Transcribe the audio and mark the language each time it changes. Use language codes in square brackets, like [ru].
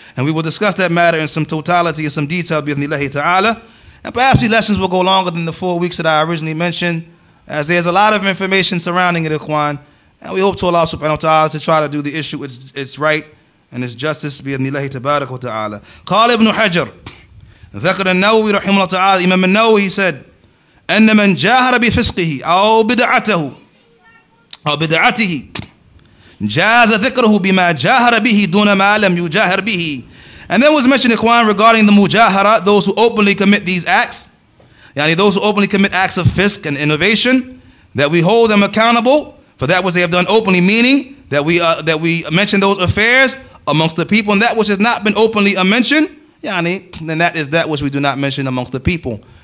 [en] And we will discuss that matter in some totality and some detail, bi'ithnillahi ta'ala. And perhaps these lessons will go longer than the 4 weeks that I originally mentioned, as there's a lot of information surrounding it, Ikhwan. And we hope to Allah subhanahu wa ta'ala to try to do the issue its right and its justice, bi'ithnillahi tabarak wa ta'ala. [ar] Qal ibn Hajar, ذكر النووي رحمه الله تعالى إمام النووي [en] he said [ar] أن من جاهر بفسقه أو بدعته أو بدعته جاز ذكره بما جاهر به دون ما لم يجاهر به. [en] And then was mentioned, Ikhwan, regarding the mujahara, those who openly commit these acts, yani those who openly commit acts of fisk and innovation, that we hold them accountable for that which they have done openly, meaning that we mention those affairs amongst the people, and that which has not been openly mentioned, yani, then that is that which we do not mention amongst the people.